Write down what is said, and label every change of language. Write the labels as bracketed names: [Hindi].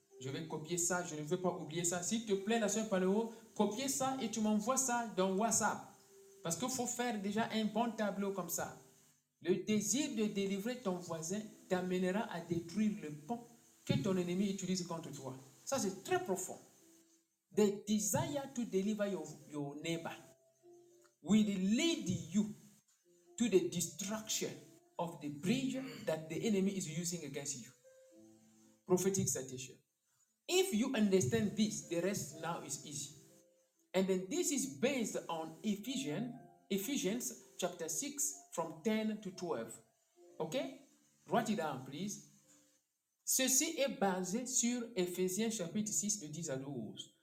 [French] Je vais copier ça, je ne veux pas oublier ça. S'il te plaît, la sœur Paléo, copie ça et tu m'envoies ça dans WhatsApp. Parce qu'il faut faire déjà un bon tableau comme ça. Le désir de délivrer ton voisin t'amènera à détruire le pont que ton ennemi utilise contre toi. Ça, c'est très profond. [English] The desire to deliver your neighbor will lead you to the destruction of the bridge that the enemy is using against you. Prophetic citation. If you understand this, the rest now is easy. And then this is based on Ephesians chapter 6 from 10 to 12. Okay? Write it down, please. [French] Ceci est basé sur Ephésiens chapitre 6, de 10 à 12.